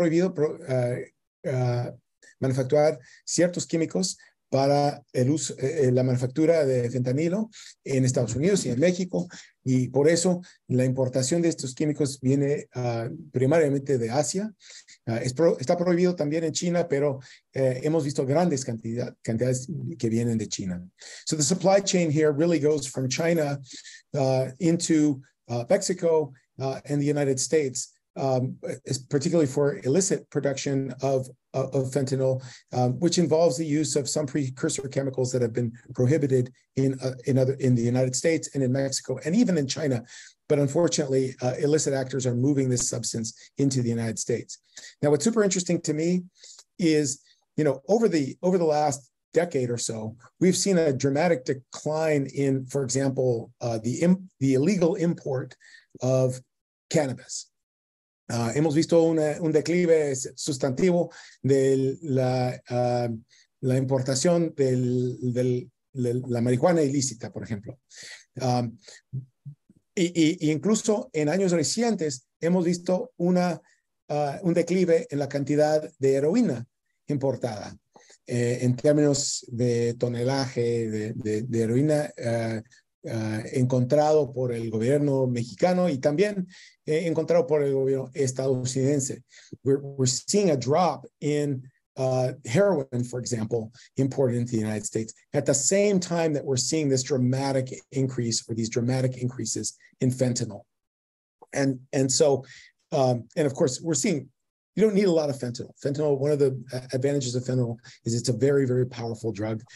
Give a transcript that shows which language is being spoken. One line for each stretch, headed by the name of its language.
Spanish: Está prohibido manufacturar ciertos químicos para el uso, la manufactura de fentanilo en Estados Unidos y en México, y por eso la importación de estos químicos viene primariamente de Asia. Está prohibido también en China, pero hemos visto grandes cantidades que vienen de China.
English: So the supply chain here really goes from China into Mexico and the United States, particularly for illicit production of fentanyl, which involves the use of some precursor chemicals that have been prohibited in the United States and in Mexico and even in China. But unfortunately, illicit actors are moving this substance into the United States. Now, what's super interesting to me is, you know, over the last decade or so, we've seen a dramatic decline in, for example, the illegal import of cannabis.
Spanish: Hemos visto un declive sustantivo de la importación de la marihuana ilícita, por ejemplo. Incluso en años recientes hemos visto un declive en la cantidad de heroína importada en términos de tonelaje de heroína encontrado por el gobierno mexicano y también encontrado por el gobierno estadounidense.
English: We're seeing a drop in heroin, for example, imported into the United States at the same time that we're seeing this dramatic increase or these dramatic increases in fentanyl. And of course, we're seeing, you don't need a lot of fentanyl. Fentanyl, one of the advantages of fentanyl is it's a very, very powerful drug.